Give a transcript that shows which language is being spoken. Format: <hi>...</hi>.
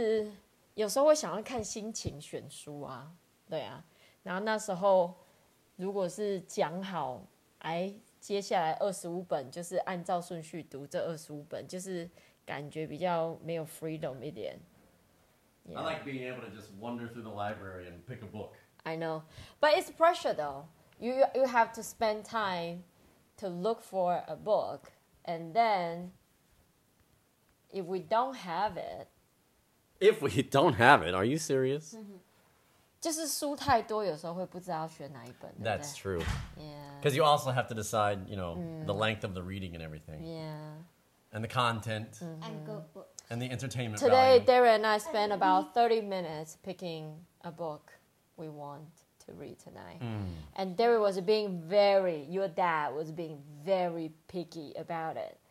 <zh>所以不是说之前跟杨医师联播的时候那些书我们不想读，也不是那些书也都是我建议杨医师的，只是说呢，就是有时候会想要看心情选书啊。对啊，然后那时候如果是讲好，哎，接下来25本就是按照顺序读这25本，就是感觉比较没有 freedom 一点。</zh> <en>Yeah. I like being able to just wander through the library and pick a book. I know, but it's pressure though. You have to spend time to look for a book, and then if we don't have it, are you serious?</en> <zh>就是书太多，有时候会不知道选哪一本。</zh> <en>That's true. Yeah. Because you also have to decide, you know, the length of the reading and everything. Yeah. And the content. And good books. And the entertainment. Today, Darren and I spent about 30 minutes picking a book we want to read tonight. And Darren was being very, your dad was being very picky about it.</en>